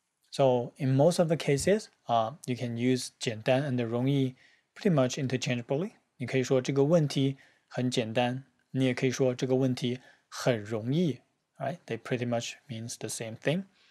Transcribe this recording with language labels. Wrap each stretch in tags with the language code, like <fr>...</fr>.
<en>So in most of the cases, you can use 简单 and 容易 pretty much interchangeably.</en> <zh>你可以说这个问题很简单，你也可以说这个问题很容易。</zh> <en>Right, they pretty much means the same thing.</en>